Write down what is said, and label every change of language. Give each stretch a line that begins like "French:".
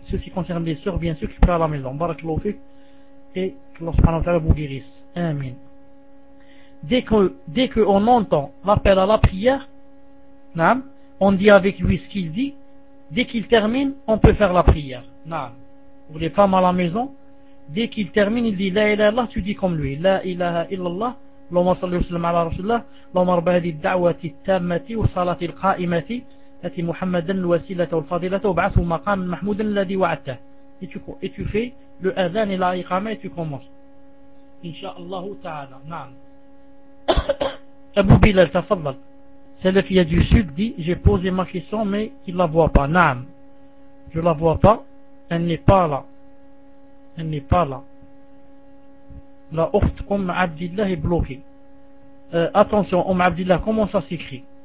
French: Ceci concerne les sœurs bien sûr qui prient à la maison. Barakallahu fik et que l'on se prenne vous guérisse. Amen. Dès que on entend l'appel à la prière, naam, on dit avec lui ce qu'il dit. Dès qu'il termine, on peut faire la prière. Naam. Pour les femmes à la maison, dès qu'il termine, il dit La ilaha illallah, tu dis comme lui.
Arabic: La ilaha illallah. اللهم صل وسلم على رسول الله اللهم رب هذه الدعوة التامة والصلاة القائمة أتي محمدا الوسيلة والفضيلة وابعثه مقام محمود الذي وعدته
French: et tu fais le adhan et la iqama et tu commences inshallah ta'ala.
Arabic: نعم Abu Bilal تفضل.
French: Salafia du Sud dit j'ai posé ma question mais il la voit pas. نعم je la vois pas, elle n'est pas là, elle n'est pas là. La ukht Umm Abdillah est bloquée. Attention, Umm Abdillah, comment ça s'écrit?